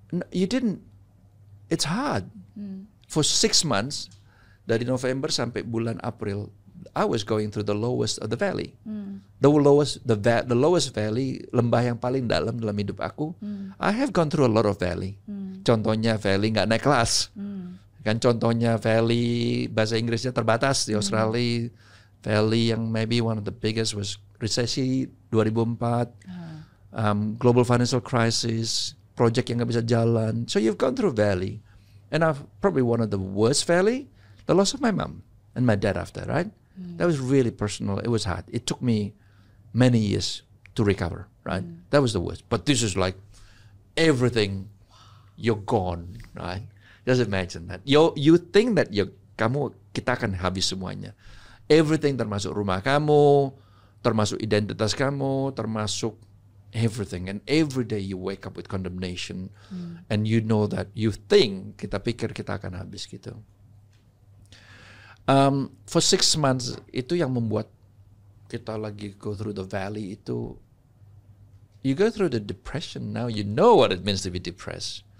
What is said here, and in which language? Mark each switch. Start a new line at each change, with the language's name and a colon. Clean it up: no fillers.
English: You didn't. It's hard. For 6 months,
Indonesian: dari November sampai bulan April,
English: I was going through the lowest of the valley. The lowest valley,
Indonesian: lembah yang paling dalam hidup aku.
English: I have gone through a lot of valley.
Indonesian: Contohnya valley nggak naik kelas. Kan contohnya valley bahasa Inggrisnya terbatas di Australia.
English: Valley yang maybe one of the biggest was resesi 2004, global financial crisis.
Indonesian: Project yang gak bisa jalan.
English: So you've gone through valley. And I've probably one of the worst valley, the loss of my mom and my dad after, right? That was really personal. It was hard. It took me many years to recover, right? That was the worst. But this is like everything, you're gone, right? Just imagine that. You think that
Indonesian: kita akan habis semuanya.
English: Everything
Indonesian: termasuk rumah kamu, termasuk identitas kamu, termasuk
English: everything, and every day you wake up with condemnation, and you know that you think
Indonesian: kita pikir kita akan habis gitu.
English: For 6 months
Indonesian: itu yang membuat kita lagi
English: go through the valley
Indonesian: itu.
English: You go through the depression. Now you know what it means to be depressed.